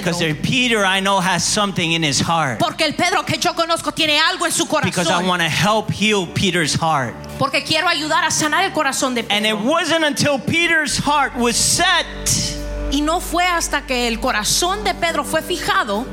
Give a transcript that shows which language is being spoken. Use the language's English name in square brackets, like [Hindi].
[English] because the Peter I know has something in his heart, [Spanish] porque el Pedro que yo conozco tiene algo en su corazón, [English] because I want to help heal Peter's heart. [Spanish] Porque quiero ayudar a sanar el corazón de Pedro. [English] And it wasn't until Peter's heart was set, [Spanish] y no fue hasta que el corazón de Pedro fue fijado,